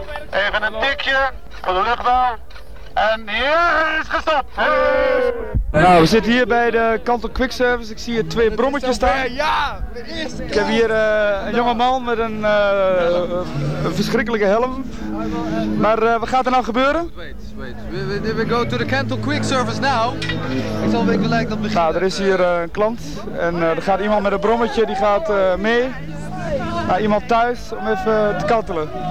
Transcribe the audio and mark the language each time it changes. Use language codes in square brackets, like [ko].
[nl] Even een tikje voor de luchtbouw. En hier is gestopt. Nou, we zitten hier bij de Kantel Quick Service. Ik zie hier twee brommetjes staan. Ja, de eerste. Ik heb hier een jonge man met een verschrikkelijke helm. Maar wat gaat er nou gebeuren? [en] Wait. We go to the Kantel Quick Service now. [nl] Ik zal weten gelijk dat beginnen. Nou, er is hier een klant. En er gaat iemand met een brommetje, die gaat mee naar iemand thuis om even te kantelen.